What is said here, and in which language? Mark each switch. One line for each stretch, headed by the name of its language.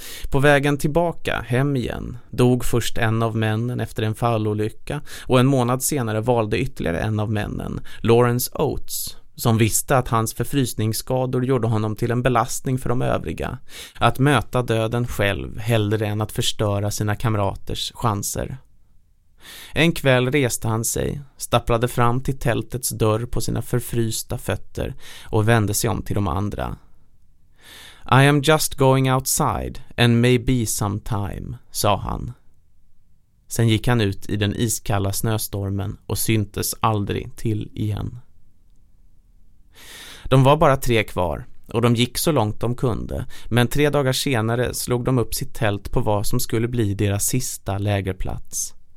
Swedish: På vägen tillbaka hem igen dog först en av männen efter en fallolycka, och en månad senare valde ytterligare en av männen, Lawrence Oates, som visste att hans förfrysningsskador gjorde honom till en belastning för de övriga, att möta döden själv hellre än att förstöra sina kamraters chanser. En kväll reste han sig, stapplade fram till tältets dörr på sina förfrysta fötter och vände sig om till de andra.
English: I am just going outside and maybe some time,
Swedish: sa han. Sen gick han ut i den iskalla snöstormen och syntes aldrig till igen. De var bara tre kvar och de gick så långt de kunde, men tre dagar senare slog de upp sitt tält på vad som skulle bli deras sista lägerplats.